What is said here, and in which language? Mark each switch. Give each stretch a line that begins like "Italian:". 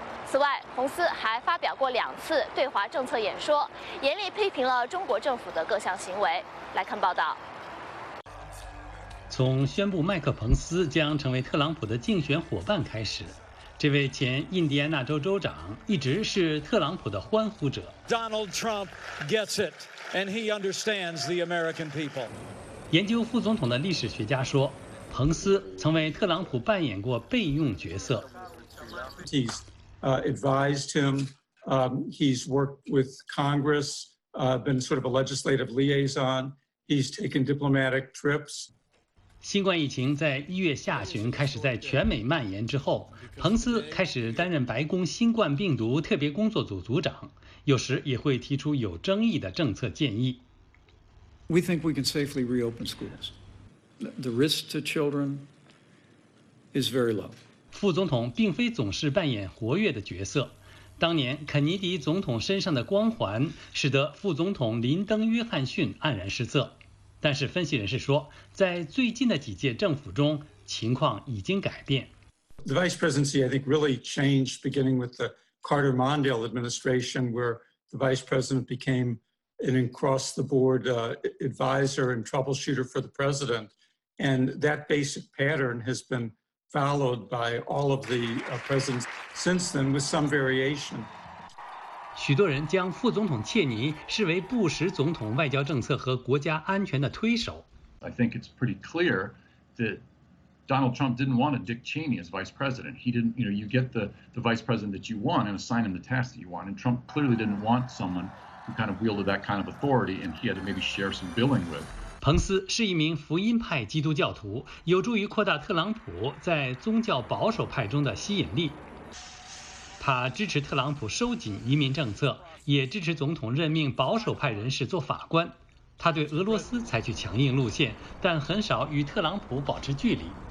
Chinese: 此外，彭斯还发表过2次对华政策演说，严厉批评了中国政府的各项行为。来看报道。从宣布麦克彭斯将成为特朗普的竞选伙伴开始，这位前印第安纳州州长一直是特朗普的欢呼者。
English: Donald Trump gets it and he understands the American people。
Chinese: 研究副总统的历史学家说，彭斯曾为特朗普扮演过备用角色。
English: He's advised him, he's worked with Congress, been sort of a legislative liaison, he's taken diplomatic trips。
Chinese: 新冠疫情在1月下旬开始在全美蔓延之后，彭斯开始担任白宫新冠病毒特别工作组组长，有时也会提出有争议的政策建议。
English: We think we can safely reopen schools. The risk to children is very low.
Chinese: 副总统并非总是扮演活跃的角色。当年肯尼迪总统身上的光环使得副总统林登·约翰逊黯然失色。但是分析人士说，在最近的几届政府中，情况已经改变。
English: The vice presidency, I think, really changed beginning with the Carter-Mondale administration, where the vice president became an across-the-board advisor and troubleshooter for the president. And that basic pattern has been followed by all of the presidents since then, with some variation.
Chinese: 许多人将副总统切尼视为布什总统外交政策和国家安全的推手。
English: I think it's pretty clear that Donald Trump didn't want a Dick Cheney as vice president. He didn't, you know, you get the vice president that you want and assign him the tasks that you want. And Trump clearly didn't want someone who kind of wielded that kind of authority and he had to maybe share some billing with.
Chinese: 彭斯是一名福音派基督教徒，有助于扩大特朗普在宗教保守派中的吸引力。他支持特朗普收紧移民政策，也支持总统任命保守派人士做法官。他对俄罗斯采取强硬路线，但很少与特朗普保持距离。